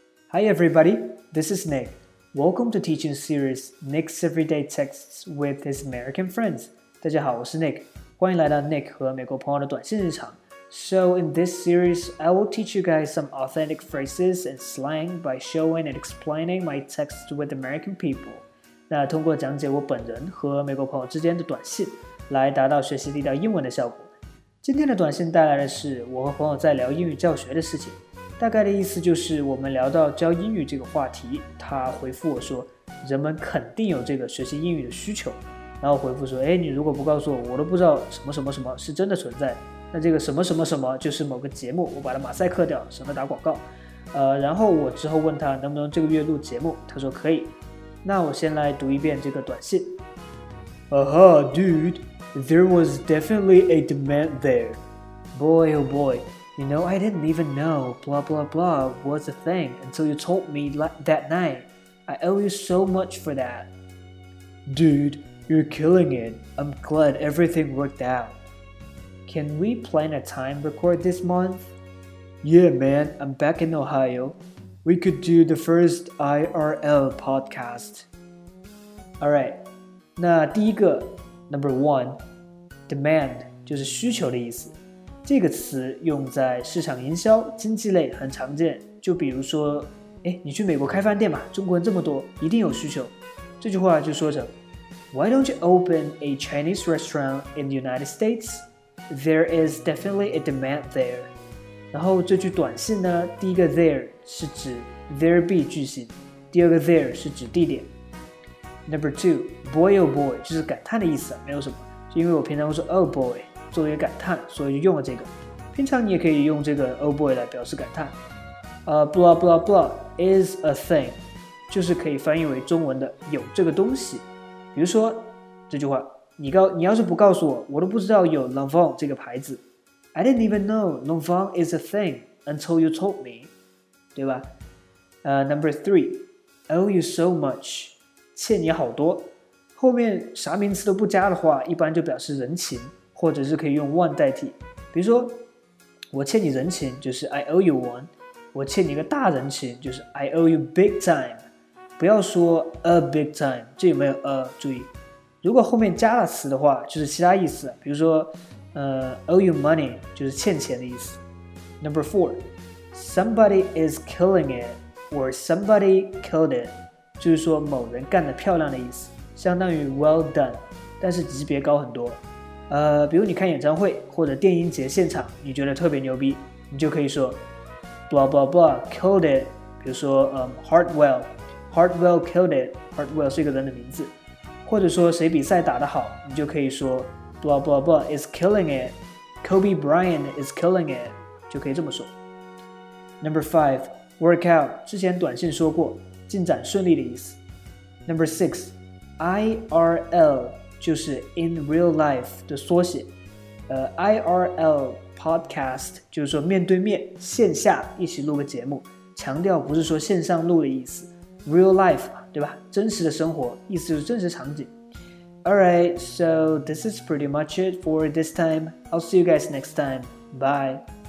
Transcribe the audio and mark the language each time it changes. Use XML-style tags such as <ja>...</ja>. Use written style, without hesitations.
<en>Hi everybody, this is Nick. Welcome to teaching series Nick's Everyday Texts with his American friends.</en> <zh>大家好，我是 Nick， 欢迎来到 Nick 和美国朋友的短信日常。</zh> <en>So in this series, I will teach you guys some authentic phrases and slang by showing and explaining my texts with American people.</en> <zh>那通过讲解我本人和美国朋友之间的短信，来达到学习地道英文的效果。今天的短信带来的是我和朋友在聊英语教学的事情。大概的意思就是我们聊到教英语这个话题，他回复我说人们肯定有这个学习英语的需求，然后回复说，哎，你如果不告诉我，我都不知道什么什么什么是真的存在，那这个什么什么什么就是某个节目，我把它马赛克掉，省得打广告。然后我之后问他能不能这个月录节目，他说可以。那我先来读一遍这个短信。</zh> <en>Dude, there was definitely a demand there. Boy, oh boy. You know, I didn't even know blah blah blah was a thing until you told me that night. I owe you so much for that. Dude, you're killing it. I'm glad everything worked out. Can we plan a time record this month? Yeah, man, I'm back in Ohio. We could do the first IRL podcast. Alright,</en> <zh>那第一个 number one, demand 就是需求的意思。这个词用在市场营销、经济类很常见，就比如说，哎，你去美国开饭店嘛，中国人这么多，一定有需求。这句话就说着</zh> <en>，Why don't you open a Chinese restaurant in the United States? There is definitely a demand there.</en> <zh>然后这句短信呢，第一个 there 是指 there be 句型，第二个 there 是指地点。</zh> <en>Number two, boy oh boy</en> <zh>就是感叹的意思，没有什么，是因为我平常会说 oh boy。作为感叹，所以就用了这个。平常你也可以用这个 oh boy 来表示感叹。</zh> <en>Blah blah blah is a thing，</en> <zh>就是可以翻译为中文的有这个东西。比如说这句话，你要是不告诉我，我都不知道有 Lanvin 这个牌子。</zh> <en>I didn't even know Lanvin is a thing until you told me，</en> <zh>对吧？</zh> <en>Number three， owe you so much，</en> <zh>欠你好多。后面啥名词都不加的话，一般就表示人情。或者是可以用 one 代替，比如说我欠你人情就是</zh> <en>I owe you one，</en> <zh>我欠你个大人情就是</zh> <en>I owe you big time。</en> <zh>不要说 a big time， 这有没有 a 注意，如果后面加了词的话就是其他意思，比如说</zh> <en>owe you money</en> <zh>就是欠钱的意思。</zh> <en>Number four， somebody is killing it or somebody killed it，</en> <zh>就是说某人干得漂亮的意思，相当于 well done， 但是级别高很多。比如你看演唱会或者电音节现场，你觉得特别牛逼，你就可以说</zh> <en>blah blah blah killed it。</en> <zh>比如说</zh> <en>Hartwell killed it，</en> <zh>Hartwell 是一个人的名字。或者说谁比赛打得好，你就可以说</zh> <en>blah blah blah is killing it， Kobe Bryant is killing it，</en> <zh>就可以这么说。</zh> <en>Number 5， work out，</en> <zh>之前短信说过进展顺利的意思。 Number 6， IRL就是</zh> <en>in real life</en> <zh>的缩写，IRL podcast 就是说面对面线下一起录个节目，强调不是说线上录的意思， real life 对吧，真实的生活，意思就是真实场景。</zh> <en>Alright, so this is pretty much it for this time. I'll see you guys next time. Bye.</en>